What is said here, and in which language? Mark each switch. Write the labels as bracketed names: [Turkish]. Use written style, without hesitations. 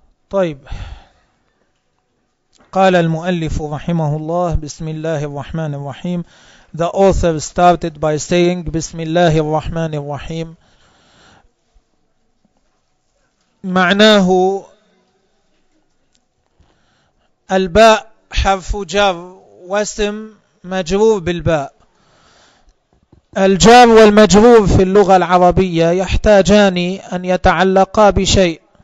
[Arabic] طيب قال المؤلف رحمه الله بسم الله الرحمن الرحيم. [English] The author started by saying [Arabic] بسم الله الرحمن الرحيم. معناه الباء حرف جر واسم مجرور بالباء. الجار والمجرور في اللغة العربية يحتاجان أن يتعلقا بشيء.